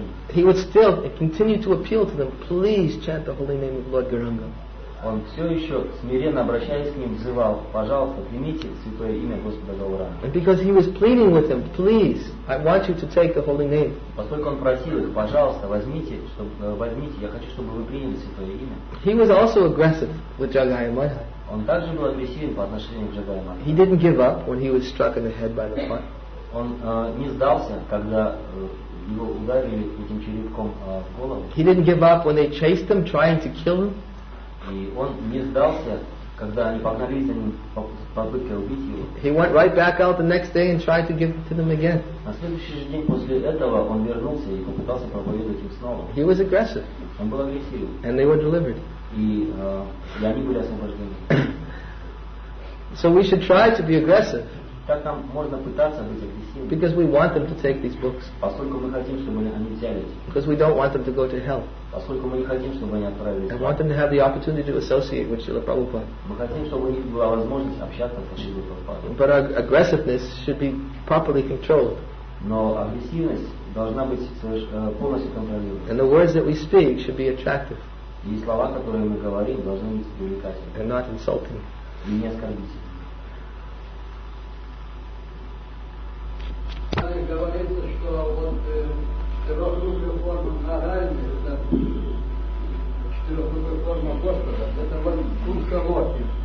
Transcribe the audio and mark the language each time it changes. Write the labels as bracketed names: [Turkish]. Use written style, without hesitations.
[English] He would still continue to appeal to them, please chant the holy name of Lord Gauranga. [Russian] Он все еще смиренно обращаясь к ним, взывал, пожалуйста, примите святое имя Господа Гауранга. [English] And because he was pleading with them, please, I want you to take the holy name. [Russian] Поскольку он просил их, пожалуйста, возьмите, я хочу, чтобы вы приняли святое имя. [English] He was also aggressive with Jagai and Madhai. [Russian] Он также был агрессивен по отношению к Jagai and Madhai. [English] He didn't give up when he was struck in the head by the pot. [Russian] Он не сдался, когда его ударили этим черепком в голову. [English] He didn't give up when they chased him, trying to kill him. [Russian] И он не сдался, когда они погнались за ним с попыткой убить его. [English] He went right back out the next day and tried to give it to them again. [Russian] На следующий же день после этого он вернулся и попытался проповедовать им снова. [English] He was aggressive. [Russian] Он был агрессивен. [English] And they were delivered. [Russian] И они были освобождены. [English] So we should try to be aggressive. [Russian] Так нам можно пытаться быть агрессивными. [English] Because we want them to take these books. [Russian] Поскольку мы хотим, чтобы они взяли эти. [English] Because we don't want them to go to hell. [Russian] Поскольку мы не хотим, чтобы они отправились. [English] I want them to have the opportunity to associate with Srila Prabhupada. [Russian] Мы хотим, чтобы у них была возможность общаться с Шрилой Прабхупадой. [English] But aggressiveness should be properly controlled. [Russian] Но агрессивность должна быть полностью контролируемой. [English] And the words that we speak should be attractive. [Russian] И слова, которые мы говорим, должны быть привлекательными. [English] And not insulting. [Russian] И не оскорбительными. Говорится, что вот четырехрукая форма Нараяны, это четырехрукая форма Господа, это вот Кунха Локи.